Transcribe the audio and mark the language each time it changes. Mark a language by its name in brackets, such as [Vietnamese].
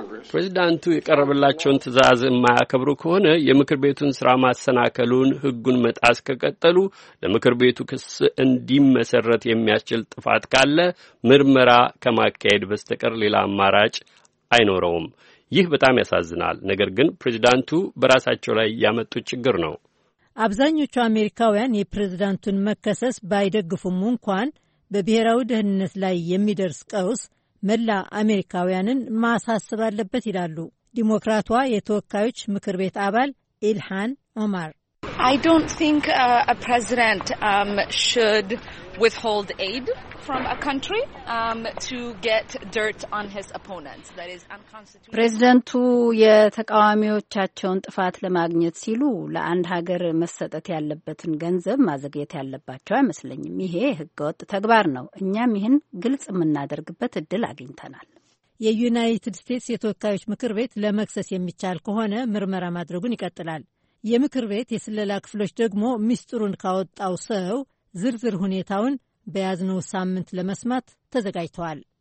[Amharic] ፕሬዝዳንቱ የቀረበላቸውን ትዕዛዝ የማያከብሩ ከሆነ የምክር ቤቱን ሥራ ማሰናከሉን ሕጉን መጣስ ከቀጠሉ ለምክር ቤቱ ክስ እንዲመሰረት የሚያስችል ጥፋት ካለ ምርመራ ከማካሄድ በስተቀር ሌላ አማራጭ አይኖረውም። ይህ በጣም ያሳዝናል። ነገር ግን ፕሬዝዳንቱ በራሳቸው ላይ ያመጡት ችግር ነው። አብዛኞቹ አሜሪካውያን የፕሬዝዳንቱን መከሰስ ባይደግፉም እንኳን በብሔራዊ ደህንነት ላይ የሚደርስ ቀውስ መላ አሜሪካውያንን ማሳሰብ አለበት ይላሉ ዲሞክራቷ የተወካዮች ምክር ቤት አባል ኢልሃን ኦማር። [English] I don't think a president should withhold aid from a country to get dirt on his opponents. That is unconstitutional. [Amharic] ፕሬዝዳንቱ የተቃዋሚዎቻቸውን ጥፋት ለማግኘት ሲሉ ለአንድ ሀገር መሰጠት ያለበትን ገንዘብ ማዘግየት ያለባቸው አይመስለኝም። ይሄ ህገወጥ ተግባር ነው። እኛም ይሄን ግልጽ ምናደርግበት እድል አግኝተናል። የዩናይትድ ስቴትስ የተወካዮች ምክር ቤት ለመክሰስ የሚቻል ከሆነ ምርመራ ማድረጉን ይቀጥላል። የምክር ቤት የስለላ ክፍሎች ደግሞ ሚስጥሩን ካወጣው ሰው ዝርዝር ሁኔታውን በያዝነው ሳምንት ለመስማት ተዘጋጅተዋል።